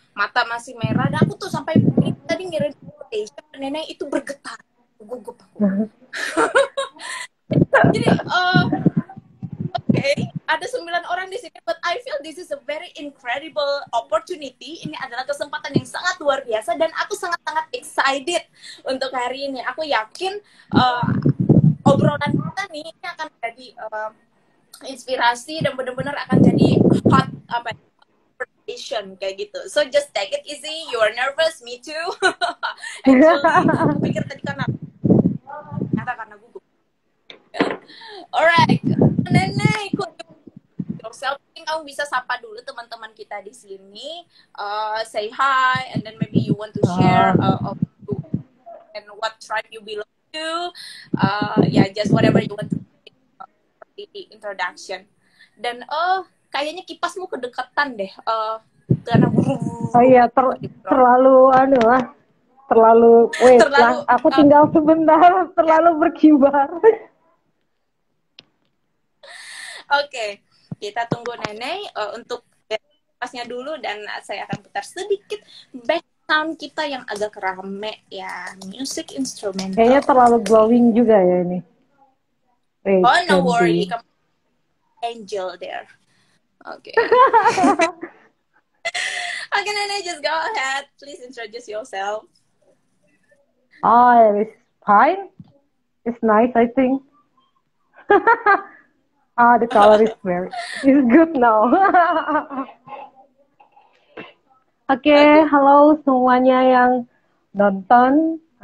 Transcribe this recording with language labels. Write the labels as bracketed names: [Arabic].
[Indonesian] Mata masih merah, dan aku tuh sampai tadi ngirim notification, Nenek itu bergetar. Gugup. Jadi, [English] okay, [Indonesian] ada 9 orang di sini, [English] but I feel this is a very incredible opportunity. [Indonesian] Ini adalah kesempatan yang sangat luar biasa dan aku sangat-sangat excited untuk hari ini. Aku yakin obrolan kita nih ini akan jadi inspirasi dan benar-benar akan jadi hot apa conversation kayak gitu. [English] So just take it easy. You are nervous, me too. Actually, [Indonesian] aku pikir tadi karena karena gugup. [English] Alright, Nenek, could you yourself? [Indonesian] Mungkin kamu bisa sapa dulu teman-teman kita di sini, [English] say hi, and then maybe you want to share of you and what tribe you belong to. Yeah, just whatever you want to do, the introduction. [Indonesian] Dan kayaknya kipasmu kedekatan deh. Karena buru-buru. Oh iya, terlalu, aku tinggal sebentar, terlalu berkibar. Okay, kita tunggu Nenek untuk pasnya dulu dan saya akan putar sedikit background kita yang agak rame ya, music instrumental. Kayaknya terlalu glowing juga ya ini. [English] Wait, oh, no worry, [Indonesian] kamu [English] angel there. Okay. Okay, Nenek, just go ahead, please introduce yourself. Oh, it's fine. It's nice, I think. Ah, the color is very, it's good now. [Indonesian] Okay, hello semuanya yang nonton.